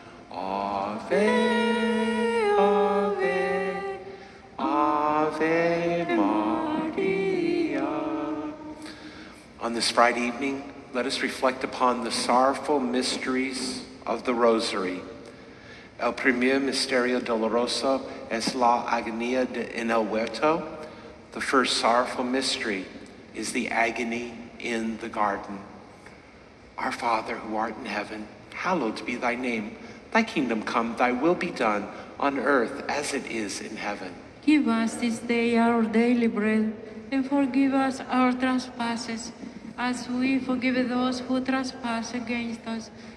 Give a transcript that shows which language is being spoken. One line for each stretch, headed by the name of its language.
Latin: Ave, Ave, Ave Maria.
English: On this Friday evening, let us reflect upon the sorrowful mysteries of the Rosary.
Spanish: El primer misterio doloroso es la agonía de en el huerto.
English: The first sorrowful mystery is the agony in the garden. Our Father, who art in heaven, hallowed be thy name. Thy kingdom come, thy will be done, on earth as it is in heaven. Give us this day our daily bread, and forgive us our trespasses, as we forgive those who trespass against us.